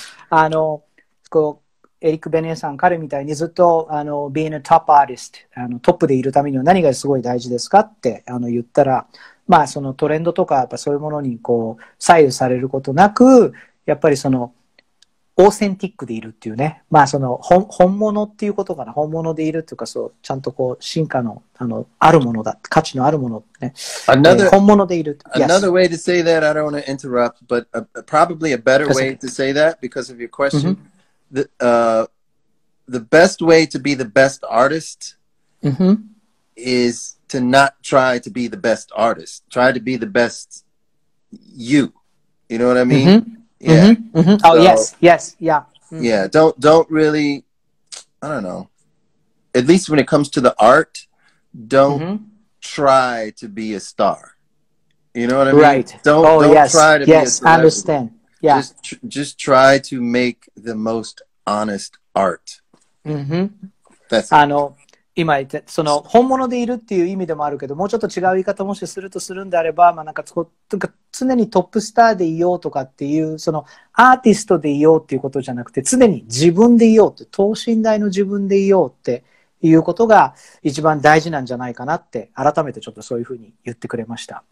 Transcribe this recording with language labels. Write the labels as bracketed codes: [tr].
[ja] あの、こう、エリック・ベネーさん、彼みたいにずっと、あの、 [en] being a top artist、 [ja] あの、トップでいるためには何がすごい大事ですかって、あの、言ったら、まあ、そのトレンドとか、やっぱそういうものに、こう、左右されることなく、やっぱりその、オーセンティックでいるっていうね。まあ、その、本物っていうことかな。本物でいるっていうか、そう、ちゃんとこう、進化の、あの、あるものだ。価値のあるものね。本物でいる。 [en] Another way to say that, I don't want to interrupt, but probably a better way to say that because of your question. The best way to be the best artist is to not try to be the best artist. Try to be the best you. You know what I mean? Mm-hmm. Yeah. Mm-hmm. Mm-hmm. Oh, so, yes. Yes. Yeah. Mm-hmm. Yeah. Don't really, I don't know. At least when it comes to the art, don't mm-hmm. try to be a star. You know what I mean? Right. Don't try to be a star. Yes, I understand. Yeah. Just try to make the most honest art. Mm-hmm. That's it. [ja] 今言ってその本物でいるっていう意味でもあるけどもうちょっと違う言い方もしするとするんであれば、まあ、なんかとか常にトップスターでいようとかっていうそのアーティストでいようっていうことじゃなくて常に自分でいようって等身大の自分でいようっていうことが一番大事なんじゃないかなって改めてちょっとそういうふうに言ってくれました。